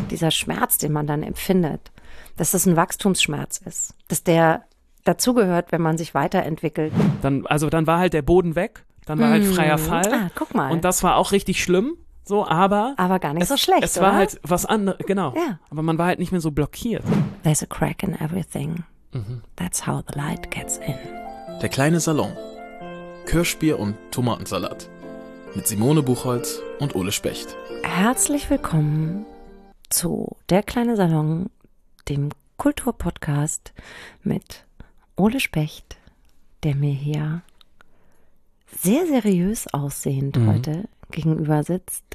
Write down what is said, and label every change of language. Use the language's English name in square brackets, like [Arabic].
[German] Dieser Schmerz, den man dann empfindet, dass das ein Wachstumsschmerz ist, dass der dazugehört, wenn man sich weiterentwickelt. Dann war halt der Boden weg, dann war halt freier Fall. Ah, guck mal. Und das war auch richtig schlimm, so, aber Aber gar nicht so schlecht, es war oder? halt was anderes, genau. Ja. Aber man war halt nicht mehr so blockiert. [English] There's a crack in everything. That's how the light gets in. [German] Der kleine Salon. Kirschbier und Tomatensalat. Mit Simone Buchholz und Ole Specht. Herzlich willkommen zu Der kleine Salon, dem Kulturpodcast mit Ole Specht, der mir hier sehr seriös aussehend heute gegenüber sitzt.